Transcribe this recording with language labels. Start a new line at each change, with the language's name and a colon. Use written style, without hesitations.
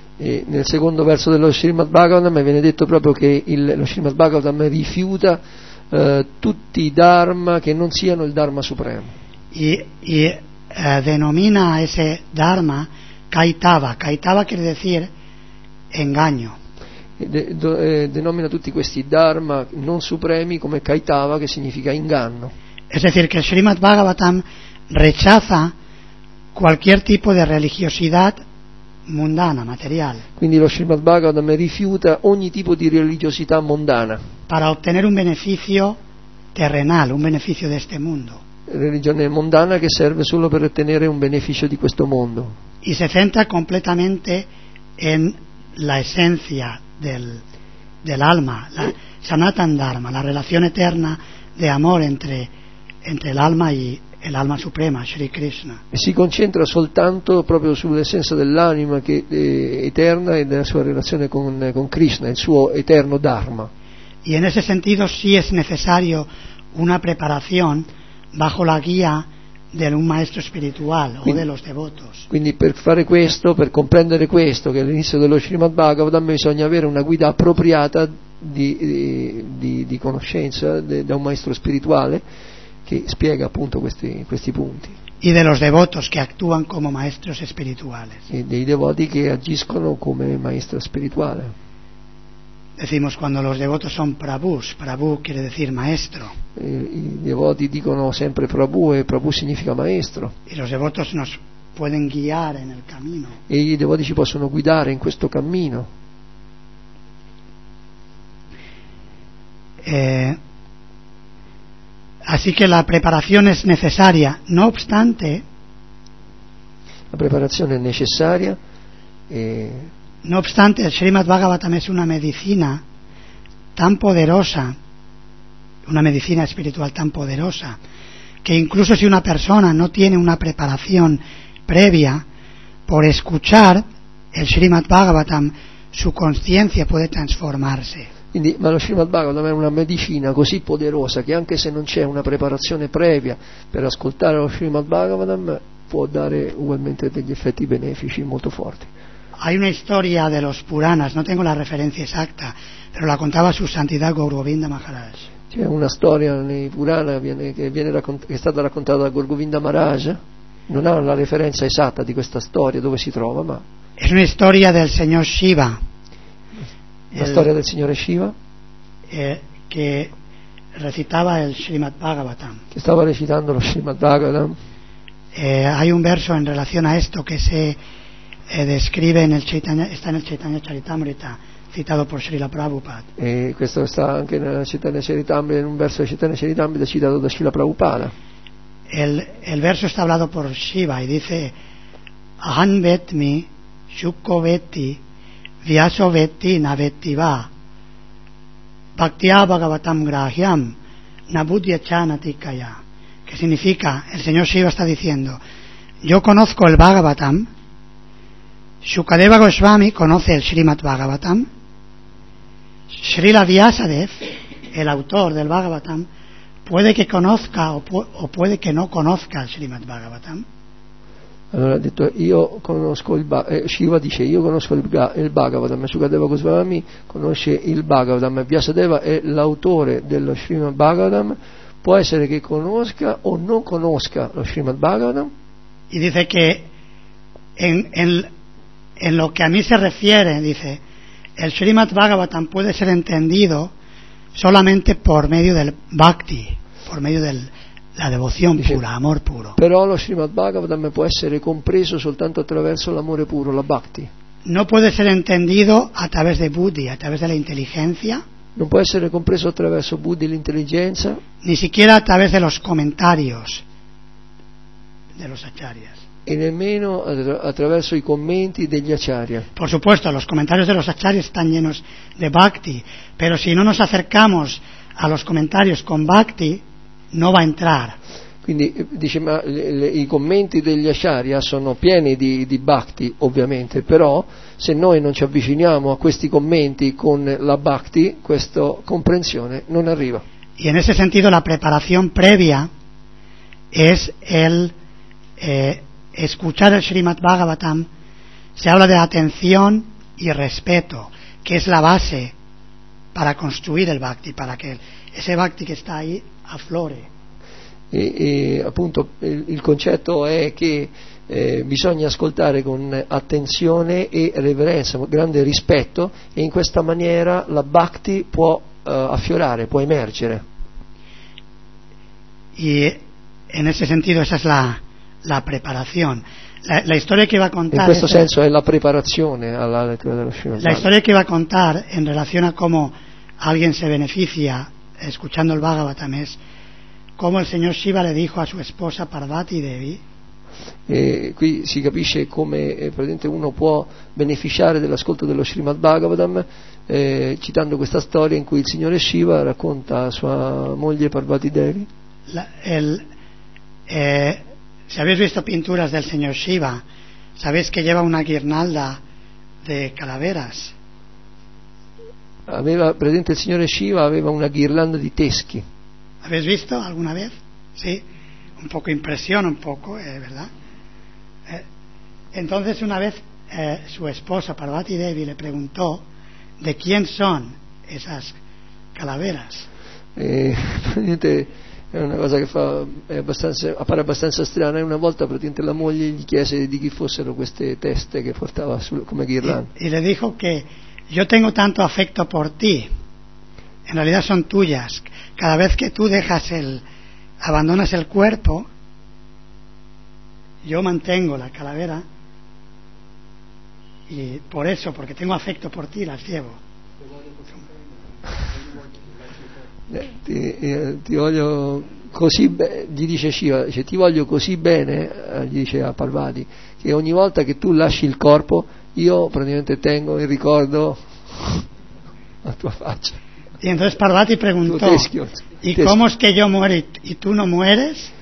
Italian: E nel secondo verso dello Srimad Bhagavatam viene detto proprio che lo Srimad Bhagavatam rifiuta tutti i dharma che non siano il Dharma Supremo.
Spanish: E denomina ese dharma Kaitava. Kaitava quiere decir engaño.
Italian: Denomina tutti questi dharma non supremi come Kaitava, che significa inganno.
Spanish: Es decir, que el Srimad Bhagavatam rechaza cualquier tipo de religiosidad mundana, material.
Italian: Quindi lo Srimad Bhagavatam rifiuta ogni tipo di religiosità mondana.
Spanish: Para obtener un beneficio terrenal, un beneficio de este mundo.
Italian: Religione mondana che serve solo per ottenere un beneficio di questo mondo.
Spanish: Y se centra completamente en la esencia del alma, la Sanatan Dharma, la relación eterna de amor entre el alma y el alma suprema, Sri Krishna.
Italian: E si concentra soltanto proprio sull'essenza dell'anima che è eterna e della sua relazione con Krishna, il suo eterno Dharma.
Spanish: Y en ese sentido sí es necesario una preparación bajo la guía de un maestro espiritual o de los devotos.
Italian: Quindi per fare questo, per comprendere questo, che all'inizio dello Srimad Bhagavatam bisogna avere una guida appropriata di conoscenza da un maestro spirituale che spiega appunto questi punti.
Spanish: Y de los devotos que actúan como maestros espirituales.
Italian: E dei devoti che agiscono come maestro spirituale.
Spanish: Decimos quando los devotos son prabhus, prabhu quiere decir maestro.
Italian: I devoti dicono sempre prabhu e prabhu significa maestro.
Spanish: Y los devotos nos pueden guiar en el camino.
Italian: E i devoti ci possono guidare in questo cammino.
Spanish: Así que la preparación es necesaria, no obstante. La preparación es necesaria. No obstante, el Srimad Bhagavatam es una medicina tan poderosa, una medicina espiritual tan poderosa, que incluso si una persona no tiene una preparación previa, por escuchar el Srimad Bhagavatam, su conciencia puede transformarse.
Italian: Quindi, ma lo Srimad Bhagavatam è una medicina così poderosa che anche se non c'è una preparazione previa per ascoltare lo Srimad Bhagavatam può dare ugualmente degli effetti benefici molto forti.
Spanish: Hay una historia de los Puranas, no tengo la referencia exacta, pero la contaba su santidad Guru Govinda Maharaj.
Italian: C'è una storia nei Purana che è stata raccontata da Guru Govinda Maharaj, non ha la referenza esatta di questa storia, dove si trova, ma...
Spanish: Es una historia del señor Shiva.
Italian: La storia del signore Shiva che recitava il Srimad Bhagavatam. Che stava recitando lo Srimad Bhagavatam.
Spanish: Hay un verso en relación a esto que se describe en el Chaitanya, está en el Chaitanya Charitamrita, citado por Srila Prabhupada.
Italian: E questo sta anche nella Chaitanya Charitamrita, in un verso del Chaitanya Charitamrita citato da Srila Prabhupada.
Spanish: El verso está hablado por Shiva y dice:
Sanskrit: Aham vetmi shukho veti Vyaso vetti na vetti va Bhaktiya Bhagavatam Grahyam na buddhya chana tikkaya.
Spanish: Que significa, el señor Shiva está diciendo: yo conozco el Bhagavatam, Shukadeva Goswami conoce el Srimad Bhagavatam, Srila Vyasadev, el autor del Bhagavatam, puede que conozca o puede que no conozca el Srimad Bhagavatam.
Italian: Allora ha detto: io conosco il Shiva dice: io conosco il Bhagavatam, Shukadeva Goswami conosce il Bhagavatam, Vyasadeva è l'autore dello Srimad Bhagavatam, può essere che conosca o non conosca lo Srimad Bhagavatam. E dice che in lo che a me si riferisce, dice, il Srimad Bhagavatam può essere intendido solamente per mezzo del bhakti, per mezzo del la devozione pura, amor puro. Però lo Srimad Bhagavatam può essere compreso soltanto attraverso l'amore puro, la bhakti. Non può essere intendido attraverso de buddhi, attraverso de la intelligenza. Non può essere compreso attraverso buddhi, l'intelligenza.
Spanish: Ni siquiera attraverso de los comentarios de los acharyas.
Italian: E nemmeno attraverso i commenti degli acharya.
Spanish: Por supuesto, los comentarios de los acharyas están llenos de bhakti, pero si no nos acercamos a los comentarios con bhakti, no va a entrar.
Italian: Quindi dice, ma i commenti degli acharya sono pieni di bhakti, ovviamente, però se noi non ci avviciniamo a questi commenti con la bhakti, questa comprensione non arriva.
Spanish: Y en ese sentido la preparación previa es el escuchar el Srimad Bhagavatam. Se habla de atención y respeto, que es la base para construir el bhakti, para que ese bhakti que está ahí aflore.
Italian: E appunto il concetto è che bisogna ascoltare con attenzione e reverenza, grande rispetto, e in questa maniera la bhakti può affiorare, può emergere.
Spanish: Y en ese sentido esa es la preparación. La historia que va a contar.
Italian: In questo senso è la preparazione alla lettura dello Srimad.
Spanish: La historia que va a contar en relación a cómo alguien se beneficia escuchando el Bhagavatam es como el señor Shiva le dijo a su esposa Parvati Devi.
Italian: Qui si capisce come praticamente uno può beneficiare dell'ascolto dello Srimad Bhagavatam citando questa storia in cui il signore Shiva racconta a sua moglie Parvati Devi.
Spanish: Se habéis visto pinturas del señor Shiva, sabéis que lleva una guirnalda de calaveras.
Italian: Aveva presente il signore Shiva, aveva una ghirlanda di teschi. Avete visto
Spanish: alguna vez?
Italian: Sì, un poco impressiona un poco,
Spanish: ¿verdad? Entonces una vez su esposa Parvati Devi le preguntó de quién son esas calaveras.
Italian: Praticamente è una cosa che appare abbastanza strana. Una volta praticamente la moglie gli chiese di chi fossero queste teste che portava come ghirlanda.
Spanish: E le dijo che Yo tengo tanto afecto por ti. En realidad son tuyas. Cada vez que tú dejas el... abandonas el cuerpo, yo mantengo la calavera. Y por eso, porque tengo afecto por ti, las llevo.
Italian: Ti voglio così bene, gli dice Shiva, dice, ti voglio così bene, gli dice a Parvati, che ogni volta che tu lasci il corpo io praticamente tengo il ricordo a tua faccia.
Spanish: E entonces Parvati preguntò: "Y cómo es que yo muero y tú no mueres?